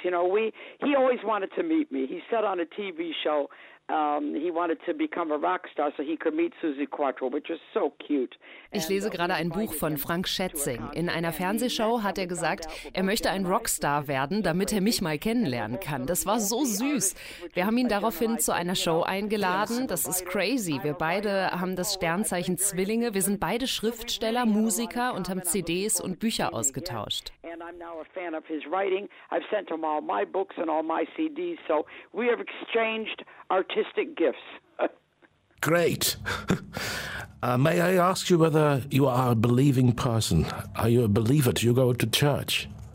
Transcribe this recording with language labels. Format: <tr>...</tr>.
<en>You know, he always wanted to meet me. He said on a TV show. He wanted to become a rock star so he could meet Susi Quattro, which was so cute.</en> <de>Ich lese gerade ein Buch von Frank Schätzing. In einer Fernsehshow hat er gesagt, er möchte ein Rockstar werden, damit er mich mal kennenlernen kann. Das war so süß. Wir haben ihn daraufhin zu einer Show eingeladen. Das ist crazy. Wir beide haben das Sternzeichen Zwillinge. Wir sind beide Schriftsteller, Musiker und haben CDs und Bücher ausgetauscht.</de> <en>And I'm now a fan of his writing. I've sent him all my books and all my CDs. So we have exchanged artistic gifts. Great. May I ask you whether you are a believing person? Are you a believer? Do you go to church?</en>